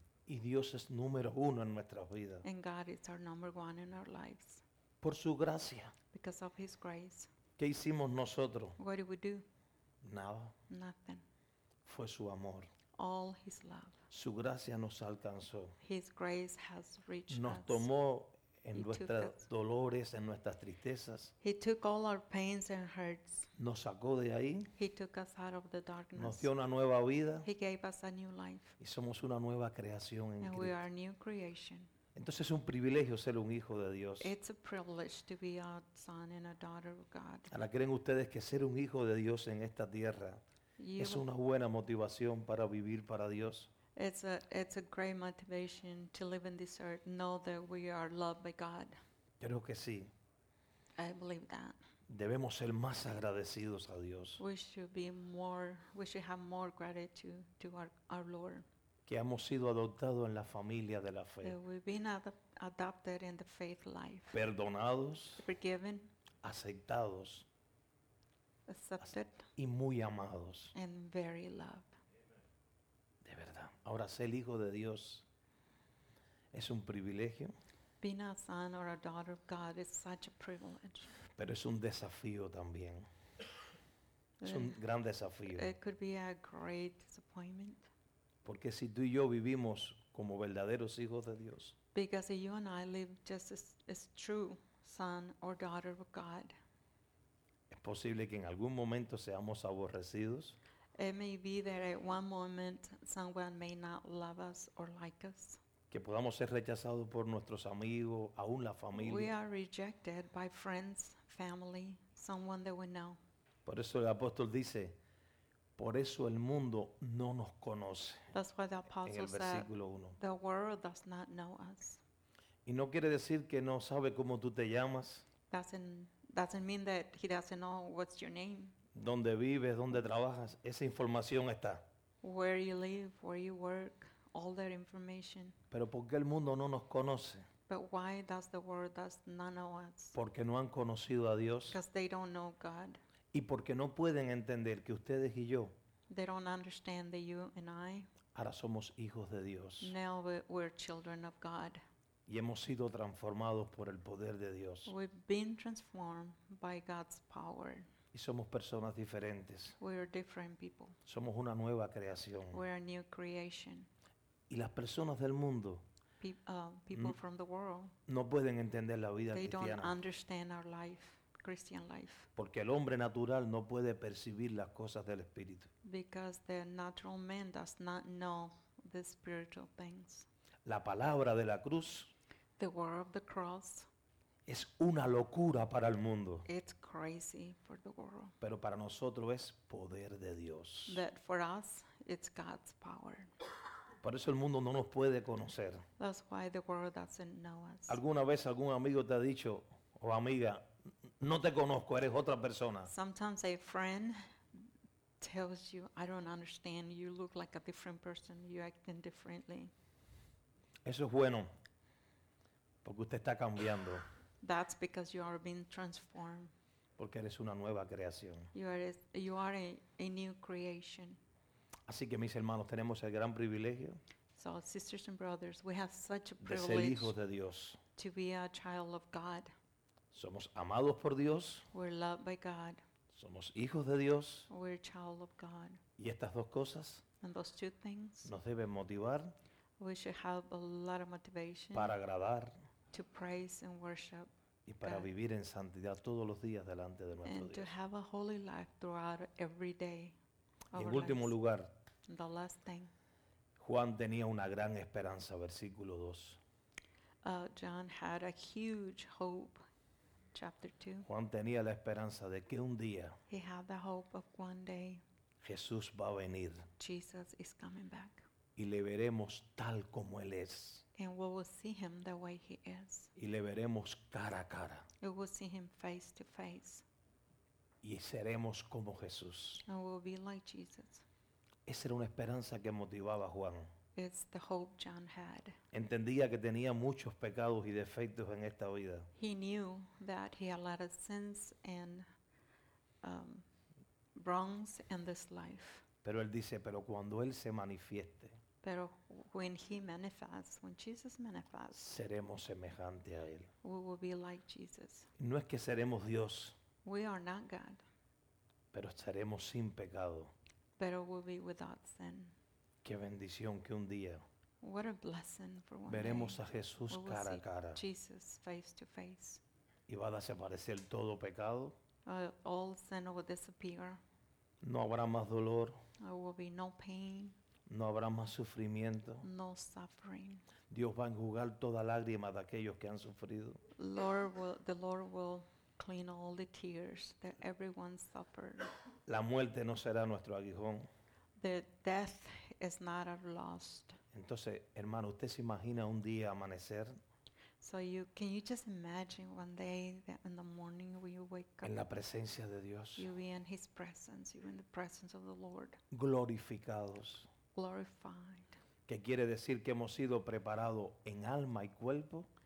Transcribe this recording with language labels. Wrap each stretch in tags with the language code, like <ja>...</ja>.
<es>Y Dios es número uno en nuestras vidas.</es> <en>And God is our number one in our lives.</en> <es>Por su gracia.</es> <en>Because of his grace.</en> <es>¿Qué hicimos nosotros?</es> <en>What did we do?</en> <es>Nada.</es> <en>Nothing.</en> <es>Fue su amor.</es> <en>All his love.</en> <es>Su gracia nos alcanzó.</es> <en>His grace has reached</en> <es>nos</es> <en>us.</en> <es>Nos tomó en nuestros dolores, en nuestras tristezas.</es> <en>He took all our pains and hurts.</en> <es>Nos sacó de ahí.</es> <en>He took us out of the darkness.</en> <es>Nos dio una nueva vida.</es> <en>He gave us a new life.</en> <es>Y somos una nueva creación en</es> <en>and</en> <es>Cristo.</es> <en>We are new creation.</en> <es>Entonces es un privilegio ser un hijo de Dios.</es> <en>It's a privilege to be a son and a daughter of God.</en> <es>¿Ahora creen ustedes que ser un hijo de Dios en esta tierra</es> <en>you</en> <es>es una buena motivación para vivir para Dios?</es> <en>It's a great motivation to live in this earth, know that we are loved by God.</en> <es>Creo que sí.</es> <en>I believe that.</en> <es>Debemos ser más agradecidos a Dios.</es> <en>We should have more gratitude to our Lord.</en> <es>Que hemos sido adoptados en la familia de la fe.</es> <en>We've been adopted in the faith life.</en> <es>Perdonados.</es> <en>Forgiven.</en> <es>Aceptados.</es> <en>Accepted.</en> <es>Y muy amados.</es> <en>And very loved.</en> <es>De verdad. Ahora ser hijo de Dios es un privilegio.</es> <en>Being a son or a daughter of God is such a privilege.</en> <es>Pero es un desafío también. Es un gran desafío.</es> <en>It could be a great disappointment.</en> <es>Porque si tú y yo vivimos como verdaderos hijos de Dios.</es> <en>Because if you and I live just as true son or daughter of God.</en> <es>Es posible que en algún momento seamos aborrecidos.</es> <en>It may be that at one moment someone may not love us or like us.</en> <es>Que podamos ser rechazados por nuestros amigos, aún la familia.</es> <en>We are rejected by friends, family, someone that we know.</en> <es>Por eso el apóstol dice, por eso el mundo no nos conoce.</es> <en>That's why the apostle said, the world does not know us.</en> <es>Y no quiere decir que no sabe cómo tú te llamas.</es> <en>Doesn't mean that he doesn't know what's your name.</en> <es>Dónde vives, dónde trabajas, esa información está.</es> <en>Where you live, where you work, all that information.</en> <es>Pero ¿por qué el mundo no nos conoce?</es> <en>But why does the world does not know us?</en> <es>Porque no han conocido a Dios.</es> <en>Because they don't know God.</en> <es>Y porque no pueden entender que ustedes y yo.</es> <en>They don't understand that you and I.</en> <es>Ahora somos hijos de Dios.</es> <en>Now we're children of God.</en> <es>Y hemos sido transformados por el poder de Dios.</es> <en>We've been transformed by God's power.</en> <es>Y somos personas diferentes.</es> <en>We are different people.</en> <es>Somos una nueva creación.</es> <en>We are a new creation.</en> <es>Y las personas del mundo.</es> <en>People from the world.</en> <es>No pueden entender la vida</es> <en>they They don't understand our life, Christian life.</en> <es>Porque el hombre natural no puede percibir las cosas del Espíritu.</es> <en>Because the natural man does not know the spiritual things.</en> <es>La palabra de la cruz.</es> <en>The word of the cross.</en> <es>Es una locura para el mundo.</es> <en>It's crazy for the world.</en> <es>Pero para nosotros es poder de Dios.</es> <en>That for us, it's God's power.</en> <es>Por eso el mundo no nos puede conocer.</es> <en>That's why the world doesn't know us.</en> <es>¿Alguna vez algún amigo te ha dicho, o amiga, no te conozco, eres otra persona?</es> <en>Sometimes a friend tells you, I don't understand, you look like a different person, you're acting differently.</en> <es>Eso es bueno, porque usted está cambiando.</es> <en>That's because you are being transformed.</en> <es>Porque eres una nueva creación.</es> <en>You are a new creation.</en> <es>Así que mis hermanos, tenemos el gran privilegio.</es> <en>So sisters and brothers, we have such a privilege.</en> <es>De ser hijos de Dios.</es> <en>To be a child of God.</en> <es>Somos amados por Dios.</es> <en>We're loved by God.</en> <es>Somos hijos de Dios.</es> <en>We're a child of God.</en> <es>Y estas dos cosas.</es> <en>And those two things.</en> <es>Nos deben motivar.</es> <en>We should have a lot of motivation.</en> <es>Para agradar.</es> <en>To praise and worship</en> <es>y para</es> <en>God.</en> <es>Vivir en santidad todos los días delante de nuestro</es> <en>and</en> <es>Dios.</es> <en>And to have a holy life throughout every day.</en> <es>Y en último</es> <en>lives.</en> <es>Lugar,</es> <en>the last thing.</en> <es>Juan tenía una gran esperanza, versículo 2.</es> <en>John had a huge hope, chapter 2.</en> <es>Juan tenía la esperanza de que un día</es> <en>he had the hope of one day</en> <es>Jesús va a venir.</es> <en>Jesus is coming back.</en> <es>Y le veremos tal como Él es.</es> <en>And we will see Him the way He is.</en> <es>Y le veremos cara a cara.</es> <en>We will see Him face to face.</en> <es>Y seremos como Jesús.</es> <en>And we will be like Jesus.</en> <es>Esa era una esperanza que motivaba a Juan.</es> <en>It's the hope John had.</en> <es>Entendía que tenía muchos pecados y defectos en esta vida.</es> <en>He knew that he had a lot of sins and wrongs in this life.</en> <es>Pero él dice, pero cuando él se manifieste, pero</es> <en>when he manifests, when Jesus manifests,</en> <es>seremos semejante a él.</es> <en>We will be like Jesus.</en> <es>No es que seremos Dios.</es> <en>We are not God.</en> <es>Pero estaremos sin pecado.</es> <en>But we will be without sin.</en> <es>Qué bendición que un día</es> <en>what a blessing for one</en> <es>veremos</es> <en>day.</en> <es>A Jesús</es> <en>we'll</en> <es>cara</es> <en>see</en> <es>a cara.</es> <en>Jesus face to face.</en> <es>Y va a desaparecer todo pecado.</es> <en>All sin will disappear.</en> <es>No habrá más dolor.</es> <en>There will be no pain.</en> <es>No habrá más sufrimiento.</es> <en>No suffering.</en> <es>Dios va a enjugar toda lágrima de aquellos que han sufrido.</es> <en>The Lord will clean all the tears that everyone suffered.</en> <es>La muerte no será nuestro aguijón.</es> <en>The death is not our loss.</en> <es>Entonces, hermano, ¿usted se imagina un día amanecer?</es> <en>So you can you just imagine one day that in the morning when you wake up</en> <es>en la presencia de Dios,</es> <en>you be in His presence, you be in the presence of the Lord.</en> <es>Glorificados.</es> <en>Glorified.</en> <es>¿Qué quiere decir que hemos sido preparados en alma y cuerpo?</es>